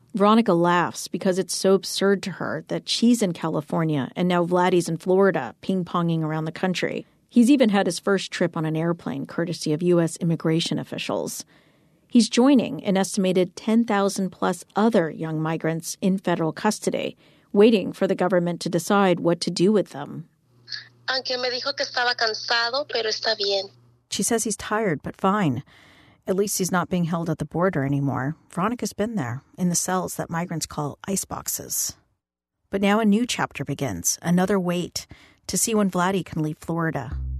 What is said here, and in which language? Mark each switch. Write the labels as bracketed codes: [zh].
[en] Veronica laughs because it's so absurd to her that she's in California and now Vladdy's in Florida, ping-ponging around the country. He's even had his first trip on an airplane courtesy of U.S. immigration officials. He's joining an estimated 10,000-plus other young migrants in federal custody, waiting for the government to decide what to do with them. [es] Aunque me dijo que estaba cansado, pero está bien. [en] She says he's tired, but fine. At least he's not being held at the border anymore. Veronica's been there, in the cells that migrants call iceboxes. But now a new chapter begins, another wait, to see when Vladdy can leave Florida.